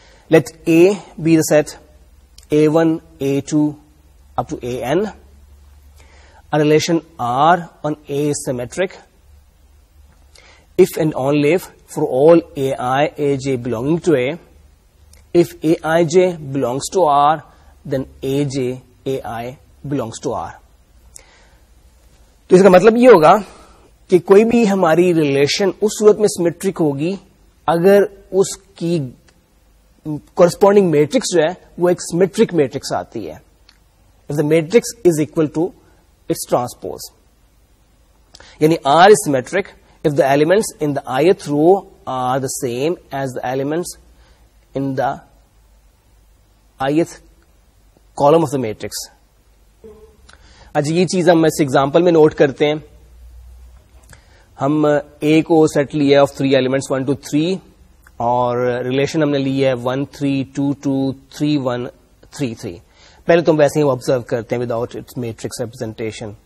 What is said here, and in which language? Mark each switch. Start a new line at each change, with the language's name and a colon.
English: Let A be the set A1, A2 up to AN. Relation R on A is symmetric if and only if for all AI AJ belonging to A. If AIJ belongs to R, then AJ AI belongs to R.
Urdu: تو اس کا مطلب یہ ہوگا کہ کوئی بھی ہماری relation اس صورت میں سیمیٹرک ہوگی اگر اس کی کورسپونڈنگ میٹرکس جو ہے وہ ایک سیمیٹرک میٹرکس آتی ہے.
English: If the matrix is equal to its transpose, یعنی R is symmetric if the elements in the ith row are the same as the elements in the ith column of the matrix.
Urdu: اچھا یہ چیز ہم اس example میں note کرتے ہیں, ہم A کو سیٹ لیا of 3 elements 1 to 3 اور ریلیشن ہم نے لی ہے 1 3 2 2 3 1 3 3. پہلے تو ہم ویسے ہی آبزرو کرتے ہیں
English: Without its matrix representation.